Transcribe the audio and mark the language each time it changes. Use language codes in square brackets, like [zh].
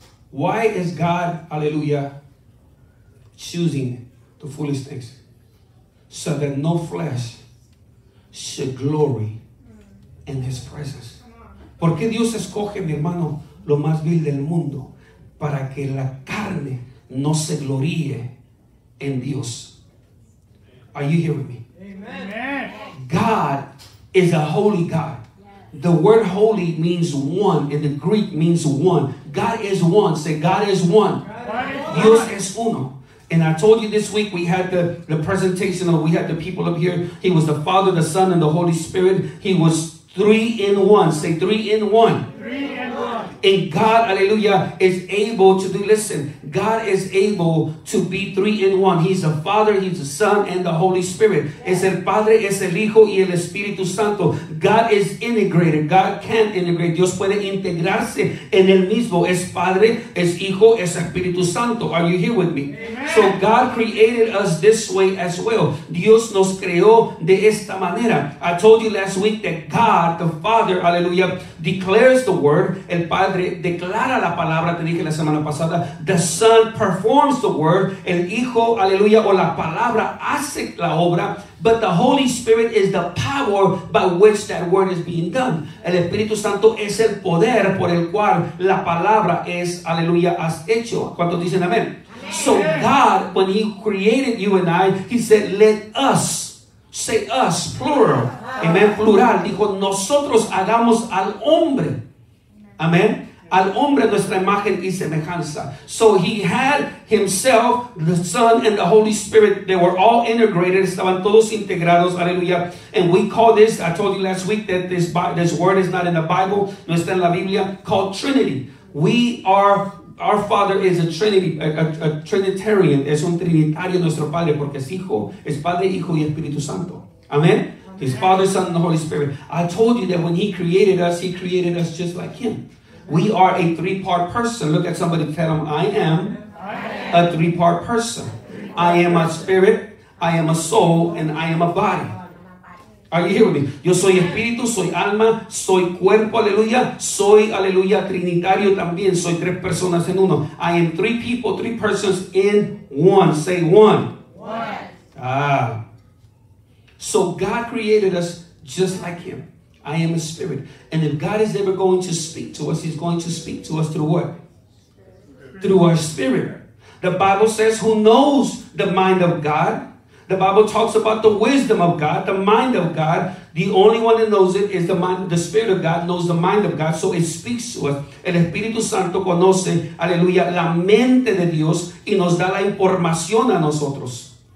[en] Why is God, hallelujah, choosing the foolish things? So that no flesh should glory in his presence. [es] ¿Por qué Dios escoge, mi hermano, lo más vil del mundo? Para que la carne no se gloríe en Dios. [en] Are you here with me? Amen. God is a holy God. The word holy means one, and the Greek means one. God is one. Say, God is one. [es] Dios es uno. [en] And I told you this week, we had the presentation of, we had the people up here. He was the Father, the Son, and the Holy Spirit. He was three in one. Say, three in one. And God, hallelujah, is able to do, listen, God is able to be three in one. He's the Father, he's the Son, and the Holy Spirit. [es] Es el Padre, es el Hijo, y el Espíritu Santo. [en] God is integrated. God can integrate. [es] Dios puede integrarse en el mismo. Es Padre, es Hijo, es Espíritu Santo. [en] Are you here with me? Amen. So God created us this way as well. [es] Dios nos creó de esta manera. [en] I told you last week that God, the Father, hallelujah, declares the word. [es] El Padre declara la palabra, te dije la semana pasada. [en] The Son performs the word. [es] El Hijo, aleluya, o la palabra hace la obra. [en] But the Holy Spirit is the power by which that word is being done. [es] El Espíritu Santo es el poder por el cual la palabra es, aleluya, has hecho. ¿Cuántos dicen amén? [en] Amen. So God, when he created you and I, he said, let us. Say us, plural. Amen, plural. [es] Dijo, nosotros hagamos al hombre. Amén. al hombre nuestra imagen y semejanza. [en] So he had himself, the Son, and the Holy Spirit. They were all integrated. [es] Estaban todos integrados. [en] Aleluya. And we call this, I told you last week that this word is not in the Bible. [es] No está en la Biblia. [en] Called Trinity. We are, our Father is a Trinity, a Trinitarian. [es] Es un Trinitario nuestro Padre porque es Hijo. Es Padre, Hijo y Espíritu Santo. [en] Amen. His Father, Son, and the Holy Spirit. I told you that when he created us just like him. We are a three-part person. Look at somebody, tell them, I am a three-part person. I am a spirit, I am a soul, and I am a body. Are you hearing me? [es] Yo soy espíritu, soy alma, soy cuerpo, aleluya. Soy, aleluya, trinitario también. Soy tres personas en uno. [en] I am three people, three persons in one. Say one. One. Ah. So God created us just like him. I am a spirit. And if God is ever going to speak to us, he's going to speak to us through what? Through our spirit. The Bible says, who knows the mind of God? The Bible talks about the wisdom of God, the mind of God. The only one that knows it is the mind. The Spirit of God knows the mind of God. So it speaks to us. [es] El Espíritu Santo conoce, aleluya, la mente de Dios y nos da la información a nosotros.